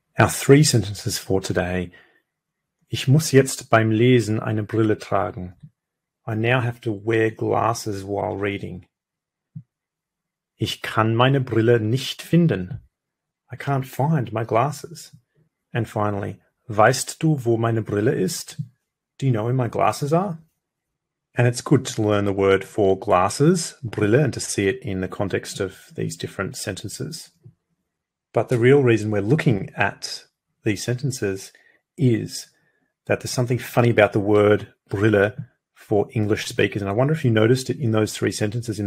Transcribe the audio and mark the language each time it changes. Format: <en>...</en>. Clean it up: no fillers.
<en>Our three sentences for today.</en> <de>Ich muss jetzt beim Lesen eine Brille tragen.</de> <en>I now have to wear glasses while reading.</en> <de>Ich kann meine Brille nicht finden.</de> <en>I can't find my glasses. And finally,</en> <de>weißt du, wo meine Brille ist?</de> <en>Do you know where my glasses are? And it's good to learn the word for glasses, Brille, and to see it in the context of these different sentences. But the real reason we're looking at these sentences is that there's something funny about the word Brille for English speakers. And I wonder if you noticed it in those three sentences.</en>